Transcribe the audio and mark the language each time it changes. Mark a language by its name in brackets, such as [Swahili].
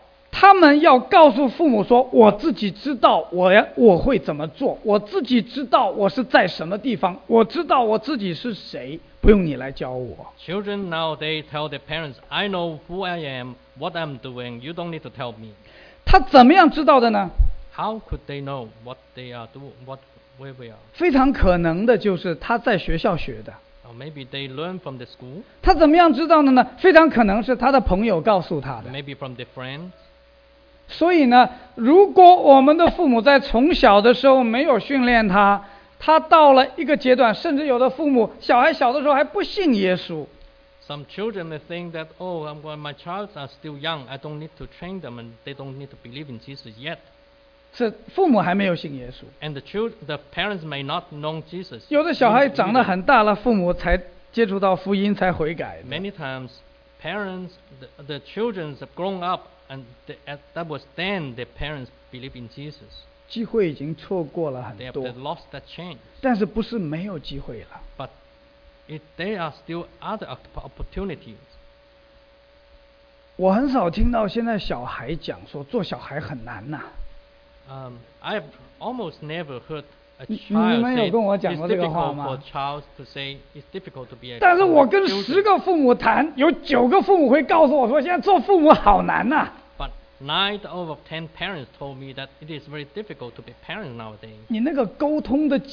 [Chinese] 他们要告诉父母说，我自己知道我会怎么做，我自己知道我是在什么地方，我知道我自己是谁，不用你来教我。 [English] Children nowadays tell their parents, I know who I am, what I'm doing. You don't need to tell me. [Chinese] 他怎么样知道的呢 [English] ？How could they know what they are doing, what where we are? [Chinese] 非常可能的就是他在学校学的。 [English] Maybe they learn from the school. [Chinese] 他怎么样知道的呢？非常可能是他的朋友告诉他的。 [English] Maybe from the friends. [Chinese] 所以呢，如果我们的父母在从小的时候没有训练他，他到了一个阶段，甚至有的父母小孩小的时候还不信耶稣。 [English] Some children may think that, oh, well, my child are still young, I don't need to train them and they don't need to believe in Jesus yet. [Chinese] 是父母还没有信耶稣。 [English] And the parents may not know Jesus. [Chinese] 有的小孩长得很大了, 父母才接触到福音, 才悔改, [English] many times, parents, the children have grown up and that was then their parents believe in Jesus. [Chinese] 机会已经错过了很多, [English] they have lost that chance. [Chinese] 但是不是没有机会了。 [English] But there are still other opportunities. [Chinese] 我很少听到现在小孩讲说做小孩很难啊。 [English] I've almost never heard a child say it's difficult for a child to say it's difficult to be a child. [Chinese] 但是我跟10个父母谈, 有9个父母会告诉我说现在做父母好难啊。 [English] But 9 out of 10 parents told me that it is very difficult to be a parent nowadays.